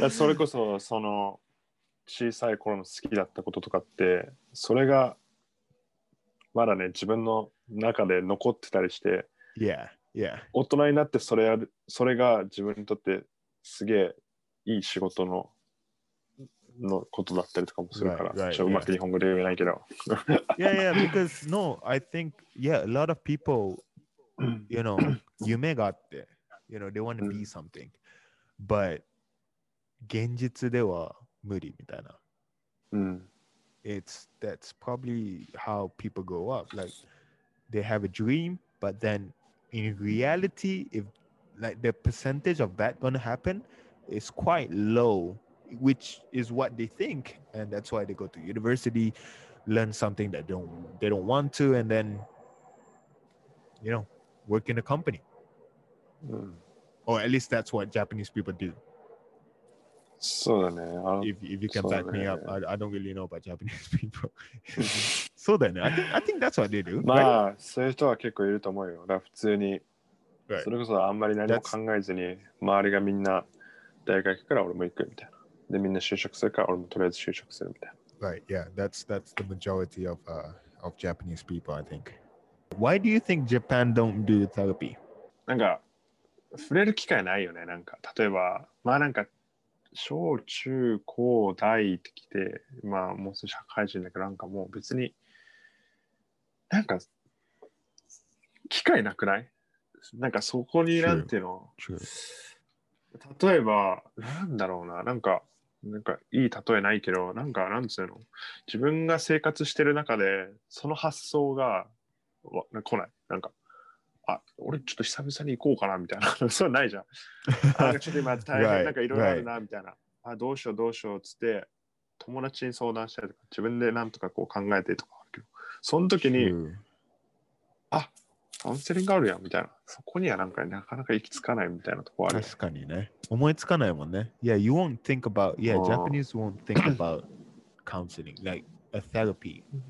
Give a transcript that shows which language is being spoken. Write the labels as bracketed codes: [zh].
[ja] だそれこそ、その、小さい頃の好きだったこととかって、それが、まだね、自分の中で残ってたりして、 [en] yeah. Yeah. [ja] 大人になってそれが自分にとってすげえいい仕事の、のことだったりとかもするから、 [en] right, right, [ja] ちょっとうまく日本語で言えないけど。 [en] Yeah, yeah, because no, I think, yeah, a lot of people, you know, [ja] 夢があって、 [en] you know, they want to be something, but [ja] 現実では無理みたいな。 [en] That's probably how people grow up. Like, they have a dream, but then in reality, if, like, the percentage of that gonna happen is quite low. Which is what they think, and that's why they go to university, learn something that they don't want to, and then, you know, work in a company. Or at least that's what Japanese people do. So, then, if you can so back then, me up, I don't really know about Japanese people. So then, I think that's what they do. [ja] まあ、そういう人は結構いると思うよ。だから普通に、それこそあんまり何も考えずに、周りがみんな大学行くから俺も行くみたいな。でみんな就職するか、俺もとりあえず就職するみたいな。 [en] Right, yeah, that's the majority of Japanese people, I think. Why do you think Japan don't do therapy? [ja] なんか触れる機会ないよね。なんか例えばまあなんか小中高大ってきて、まあもうすぐ社会人だからなんかもう別になんか機会なくない？なんかそこになんていうの。 [en] True. [ja] 例えばなんだろうな、なんかなんかいい例えないけど、なんかなんつうの、自分が生活してる中でその発想が来ない。なんか、あ、俺ちょっと久々に行こうかなみたいな、そうないじゃん。なんかちょっと今大変、なんかいろいろあるなみたいな。あ、どうしようどうしようつって友達に相談したりとか、自分でなんとかこう考えてとかあるけど、その時に、あ、カウンセリングあるやんみたいな。そこにはなんかなかなか行き着かないみたいなとこある。確かにね。思いつかないもんね。 [en] Yeah, you won't think about, yeah, Japanese won't think about counseling, like a therapy.